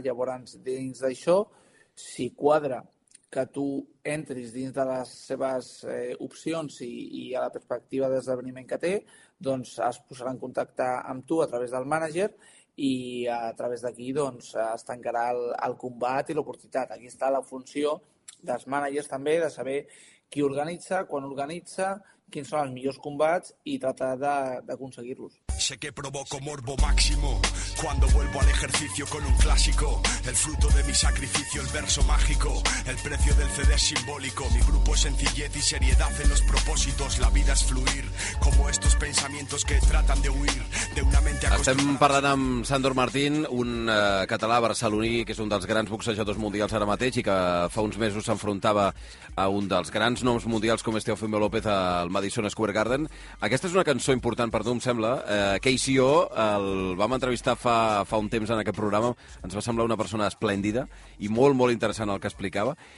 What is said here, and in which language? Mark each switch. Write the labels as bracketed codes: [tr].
[ca] Llavors, dins d'això, si quadra que tu entris dins de les seves opcions i a la perspectiva d'esdeveniment que té, doncs es posarà en contacte amb tu a través del mànager i a través d'aquí doncs, es tancarà el combat i l'oportunitat. Aquí està la funció dels mànagers també de saber qui organitza, quan organitza, quins són els millors combats i tratar d'aconseguir-los. [es] Sé que provoco morbo máximo, cuando vuelvo al ejercicio con un clásico, el fruto de mi sacrificio, el verso mágico, el precio del CD es simbólico, mi grupo es sencillez y seriedad en los propósitos, la vida es fluir, como estos pensamientos que tratan de huir de una mente acostumbrada. [ca] Estem parlant amb Sandor Martín, un català barceloní que és un dels grans boxejadors mundials ara mateix i que fa uns mesos s'enfrontava a un dels grans noms mundials com Teofimo López al Madison Square Garden. Aquesta és una cançó important per tu, em sembla. KCO, el vam entrevistar fa un temps en aquest programa, ens va semblar una persona esplèndida i molt, molt interessant el que explicava.